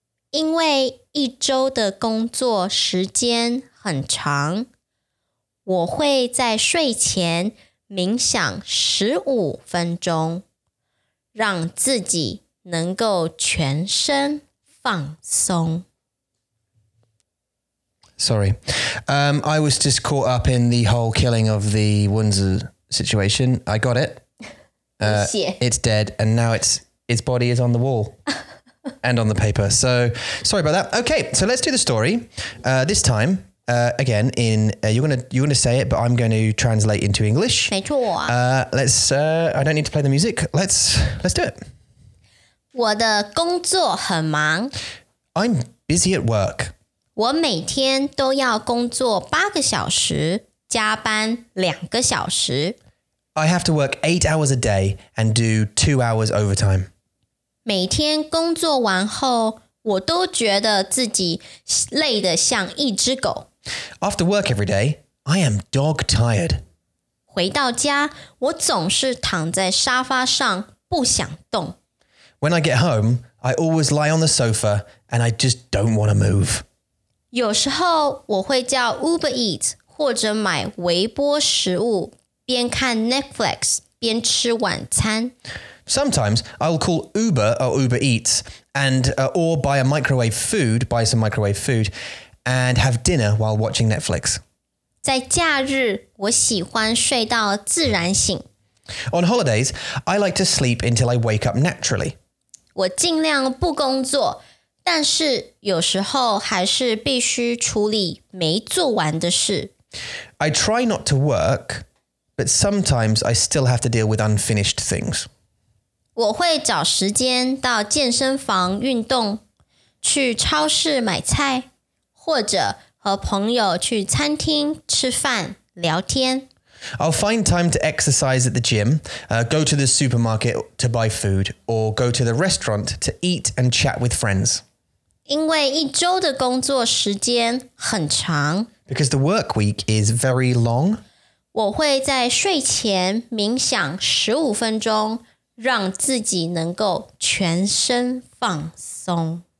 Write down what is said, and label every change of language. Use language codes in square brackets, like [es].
[zh] 因为一周的工作时间很长，我会在睡前冥想15分钟，让自己能够全身放松。 [en] Sorry. I was just caught up in the whole killing of the Wunzi situation. I got it. It's dead, and now its body is on the wall and on the paper. So sorry about that. Okay, so let's do the story. This time, again, you're gonna say it, but I'm going to translate into English. [zh] 没错。 [en] I don't need to play the music. Let's do it. [zh] 我的工作很忙。 [en] I'm busy at work. [zh] 我每天都要工作八个小时，加班两个小时。 [en] I have to work 8 hours a day and do 2 hours overtime. [zh] 每天工作完后，我都觉得自己累得像一只狗。 [en] After work every day, I am dog tired. [zh] 回到家，我总是躺在沙发上不想动。 [en] When I get home, I always lie on the sofa and I just don't want to move. [zh] 有时候我会叫 Uber Eats 或者买微波食物。边看 Netflix 边吃晚餐。 [en] Sometimes I'll call Uber or Uber Eats or buy some microwave food and have dinner while watching Netflix. [zh] 在假日，我喜欢睡到自然醒。 [en] On holidays, I like to sleep until I wake up naturally. [zh] 我尽量不工作，但是有时候还是必须处理没做完的事。 [en] I try not to work. But sometimes I still have to deal with unfinished things. [zh] 我会找时间到健身房运动，去超市买菜，或者和朋友去餐厅吃饭聊天。 [en] I'll find time to exercise at the gym, go to the supermarket to buy food, or go to the restaurant to eat and chat with friends. [zh] 因为一周的工作时间很长。 [en] Because the work week is very long. [zh] 我会在睡前冥想15分钟，让自己能够全身放松。